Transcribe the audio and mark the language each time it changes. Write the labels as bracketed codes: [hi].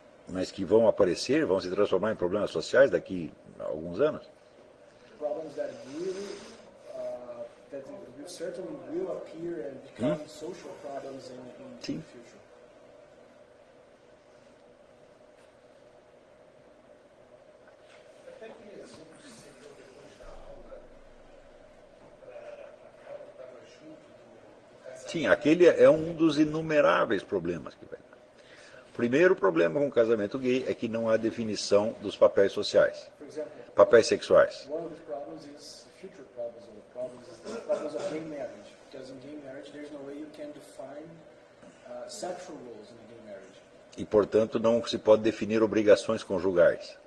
[pt] Mas que vão aparecer, vão se transformar em problemas sociais daqui a alguns anos. [en] Problems that really, that certainly will appear and become social problems in the future. [pt] Sim, aquele é um dos inumeráveis problemas que vai dar. Primeiro problema com o casamento gay é que não há definição dos papéis sociais, exemplo, papéis sexuais. [en] One of the problems is future problems, or problems of gay marriage. Because in gay marriage, there's no way you can define sexual roles in a gay marriage. [pt] E, portanto, não se pode definir obrigações conjugais.